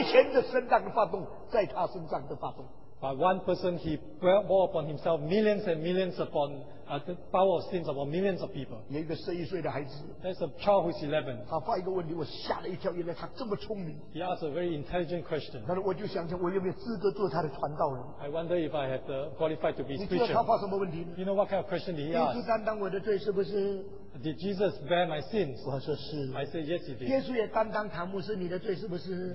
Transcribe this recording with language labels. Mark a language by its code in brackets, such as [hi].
[en] By one person, he bore upon himself millions and millions upon the power of sins upon millions of people. There's a child who's 11. [zh] 他发一个问题, 我吓了一跳, 原来他这么聪明, [en] he asked a very intelligent question. 但是我就想想, I wonder if I have qualified to be spiritual. You know what kind of question he asked? Did Jesus bear my sins? [zh] 我说是, [en] I said yes he did. [zh] 耶稣也担当唐牧师你的罪是不是?